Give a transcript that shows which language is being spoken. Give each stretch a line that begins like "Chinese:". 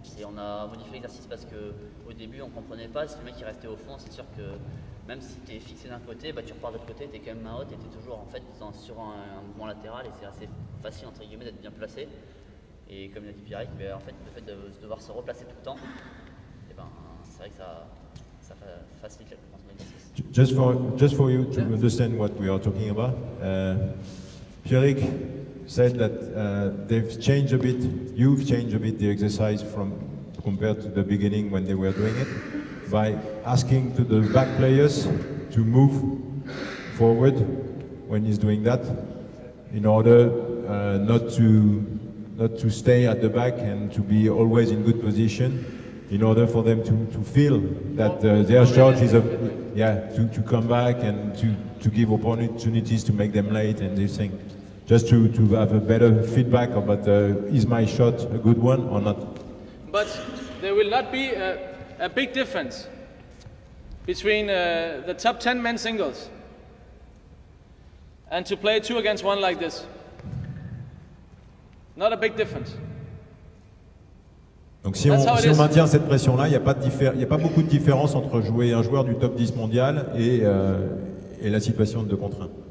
French: Et on a modifié l'exercice parce que au début on comprenait pas, si le mec il restait au fond, c'est sûr que même si tu es fixé d'un côté, bah, tu repars de l'autre côté, tu es quand même main haute et tu es toujours en fait sur un mouvement latéral et c'est assez facile entre guillemets d'être bien placé. Et comme l'a dit Pierrick, bah, en fait, le fait de devoir se replacer tout le temps, et ben, c'est vrai que ça facilite la compréhension de l'exercice.
English: Just for you to understand what we are talking about, Pierrick said that they've changed a bit, you've changed a bit the exercise from compared to the beginning when they were doing it, by asking to the back players to move forward when he's doing that, in order not to stay at the back and to be always in good position, in order for them to feel that their charge is to come back and to give opportunities to make them late and this thing. Just to have a better feedback about is my shot a good one or not? But there will not be a big difference between the top 10 men singles and to play two against one like this. Not a big difference.
French: Donc si on, si on maintient cette pression-là, il n'y a pas beaucoup de différence entre jouer un joueur du top 10 mondial et la situation de 2 contre 1.